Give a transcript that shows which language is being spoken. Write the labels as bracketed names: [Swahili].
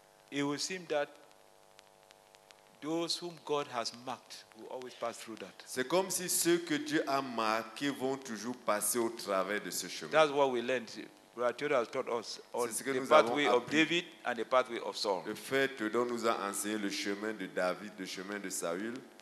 [English] It would seem that those whom God has marked will always pass through that. [French] C'est comme si ceux que Dieu a marqués vont toujours passer au travers de ce chemin. [English] That's what we learned. Brother Theodore has taught us on the pathway of David and the pathway of Saul. [French] Le fait que Dieu nous a enseigné le chemin de David, le chemin de Saül.